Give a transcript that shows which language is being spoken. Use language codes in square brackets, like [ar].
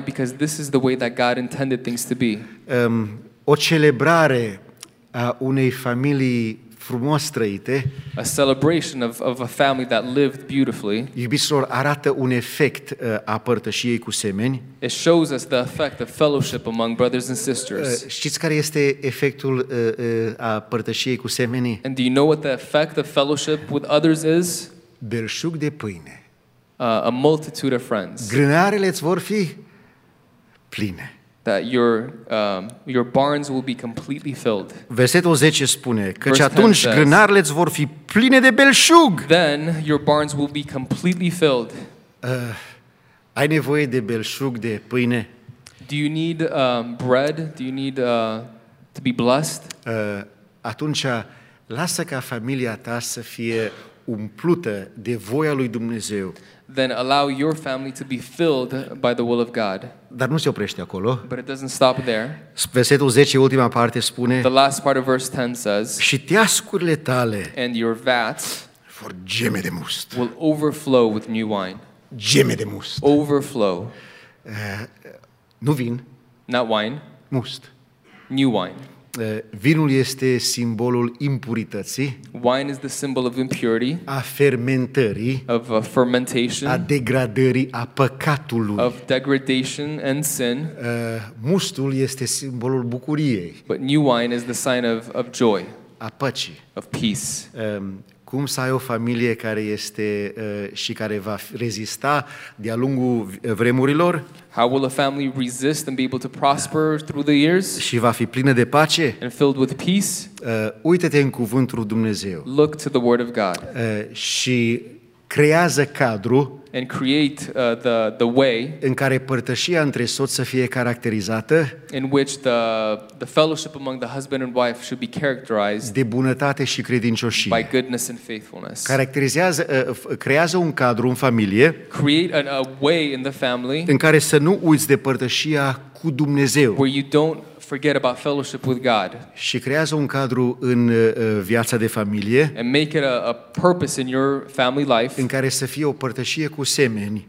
[en] Because this is the way that God intended things to be. [ro] O celebrare a unei familii frumos trăite. [en] A celebration of a family that lived beautifully. [ro] Iubiților, arată un efect a părtășiei cu semeni. [en] It shows us the effect of fellowship among brothers and sisters. [ro] Știți care este efectul a părtășiei cu semeni? [en] And do you know what the effect of fellowship with others is? [ro] Belșug de pâine. [en] A multitude of friends. [ro] Grânarele îți vor fi pline. [en] That your barns will be completely filled. [ro] Versetul 10 spune că atunci grânarele îți vor fi pline de belșug. [en] Then your barns will be completely filled. [ro] Ai nevoie de belșug de pâine? [en] Do you need bread? Do you need to be blessed? [ro] Atunci lasă ca familia ta să fie umplută de voia lui Dumnezeu. [en] Then allow your family to be filled by the will of God. [ro] Dar nu se oprește acolo. [en] But it doesn't stop there. [ro] Versetul 10, ultima parte, spune. [en] The last part of verse 10 says. [ro] Și teascurile tale. [en] And your vats. [ro] Vor geme de must. [en] Will overflow with new wine. [ro] Geme de must. [en] Overflow. [ro] Nu vin. [en] Not wine. [ro] Must. [en] New wine. [ro] Vinul este simbolul impurității. [en] Wine is the symbol of impurity. [ro] A fermentării. [en] Of a fermentation. [ro] A degradării, a păcatului. [en] Of degradation and sin. [ro] Mustul este simbolul bucuriei. [en] But new wine is the sign of joy. [ro] A păcii. [en] Of peace. [ro] Cum să ai o familie care este și care va rezista de-a lungul vremurilor? [en] How will a family resist and be able to prosper through the years? [ro] Și va fi plină de pace? [en] And filled with peace? [ro] Uită-te în cuvântul lui Dumnezeu. [en] Look to the word of God. [ro] Și creează cadru. [en] And create the way [ro] în care părtășia între soți să fie caracterizată, [en] in which the fellowship among the husband and wife should be characterized, [ro] de bunătate și credincioșie, [en] by goodness and faithfulness. [ro] Caracterizează, creează un cadru în familie, [en] create a way in the family [ro] în care să nu uiți de părtășia cu Dumnezeu, [en] where you don't forget about fellowship with God. [ro] Și creează un cadru în viața de familie. [en] And make it a purpose in your family life. [ro] În care să fie o părtășie cu semeni.